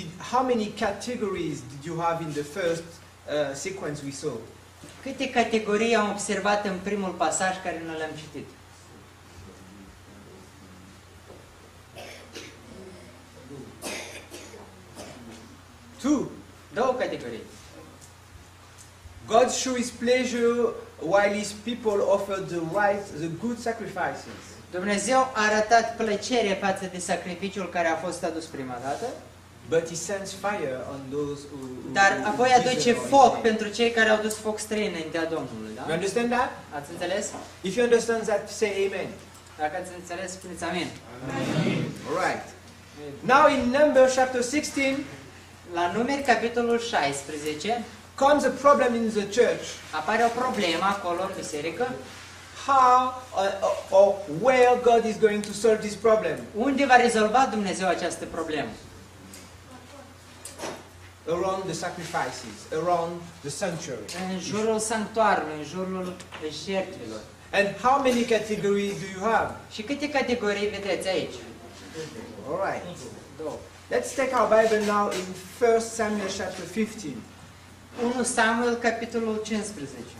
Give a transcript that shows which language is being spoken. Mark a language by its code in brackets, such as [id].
[en] How many categories did you have in the first sequence we saw? [ro] Câte categorii am observat în primul pasaj care noi l-am citit? [en] Two. [ro] Două categorii. [en] God shows his pleasure while his people offer the right, the good sacrifices. [ro] Dumnezeu a arătat plăcere față de sacrificiul care a fost adus prima dată. [en] But he sends fire on those who. [ro] Dar apoi aduce foc pentru cei care au dus foc străin înaintea Domnului, da? [en] You understand that? [ro] Ați înțeles? [en] If you understand that, say amen. [ro] Dacă ați înțeles, spuneți amen. Amen. [en] All right. Now in Numbers chapter 16, [ro] la Numeri capitolul 16, [en] comes a problem in the church. [ro] Apare o problemă acolo în biserică. [en] How or where God is going to solve this problem? [ro] Unde va rezolva Dumnezeu această problemă? [en] Around the sacrifices, around the sanctuary. [ro] În jurul sanctuarului, în jurul jertfelor. [en] And how many categories do you have? [ro] Și câte categorii vedeți aici? [en] All right. Let's take our Bible now in 1 Samuel chapter 15. [ro] 1 Samuel capitolul 15.